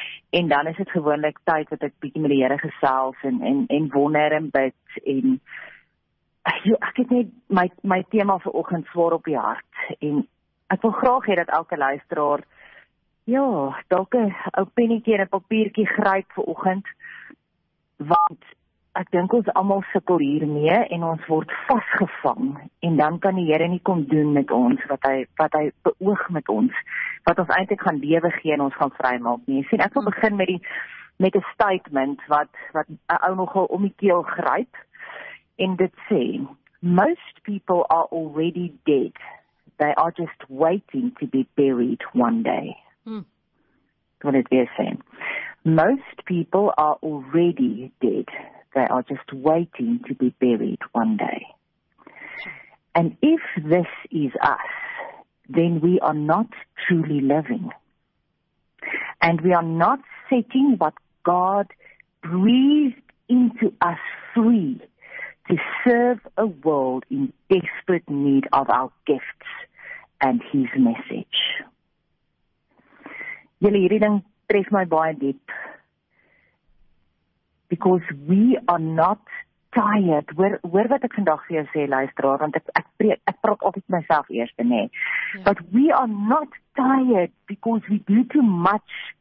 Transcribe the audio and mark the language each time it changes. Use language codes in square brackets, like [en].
[af] En dan is het gewoonlik tyd dat ek bietjie met die Here gesels en wonder en bid en ek het net my tema vir oggend swaar op die hart en ek wil graag hê dat elke luisteraar ja, dalk 'n ou pennetjie en 'n papiertjie gryp vir oggend, want ek dink ons almal sukkel hiermee en ons word vasgevang en dan kan die Here nie kom doen met ons wat hy beoog met ons, wat ons eintlik gaan lewe gee en ons gaan vrymaak nie. Sien, ek wil begin met 'n statement wat 'n ou nogal om die keel gryp en dit sê, [en] most people are already dead. They are just waiting to be buried one day. [af] Wat het weer sê? [en] Most people are already dead. They are just waiting to be buried one day. And if this is us, then we are not truly living. And we are not setting what God breathed into us free to serve a world in desperate need of our gifts and His message. [af] Julle, hierdie ding tref my baie diep. [en] Because we are not tired. [af] Hoor wat ek vandag vir jou sê, luisteraar, want ek praat altyd myself eers, nê. [en] Yeah. But we are not tired because we do too much.